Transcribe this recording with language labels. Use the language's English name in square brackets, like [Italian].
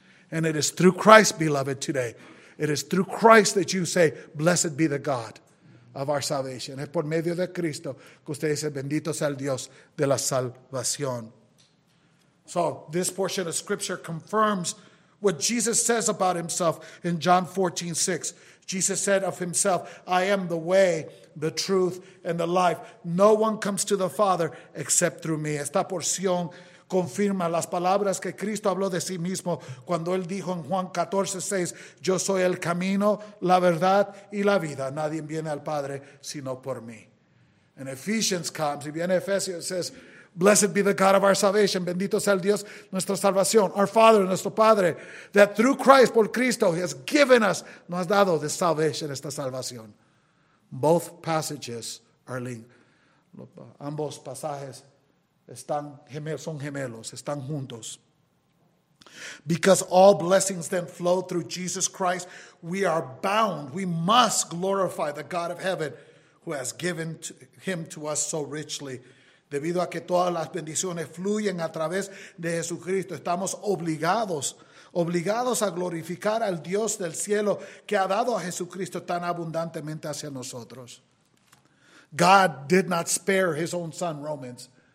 [English] And it is through Christ, beloved, today. It is through Christ that you say, blessed be the God of our salvation. [Spanish] Es por medio de Cristo que usted dice, bendito sea el Dios de la salvación. [English] So this portion of scripture confirms what Jesus says about himself in John 14:6. Jesus said of himself, I am the way, the truth, and the life. No one comes to the Father except through me. [Spanish] Esta porción confirma las palabras que Cristo habló de sí mismo cuando él dijo en Juan 14:6, yo soy el camino, la verdad y la vida. Nadie viene al Padre sino por mí. [English] And Ephesians comes, [Spanish] y viene Efesios, [English] says, blessed be the God of our salvation. [Spanish] Bendito sea el Dios, nuestra salvación. [English] Our Father, [Spanish] nuestro Padre, [English] that through Christ, [Spanish] por Cristo, [English] he has given us, [Spanish] nos ha dado [English] this salvation, [Spanish] esta salvación. [English] Both passages are linked. [Spanish] Ambos pasajes están gemelos, son gemelos, están juntos. [English] Because all blessings then flow through Jesus Christ, we are bound, we must glorify the God of heaven who has given him to us so richly. [Spanish] Debido a que todas las bendiciones fluyen a través de Jesucristo, estamos obligados obligados a glorificar al Dios del cielo que ha dado a Jesucristo tan abundantemente hacia nosotros. [English] God did not spare his own son, Romans.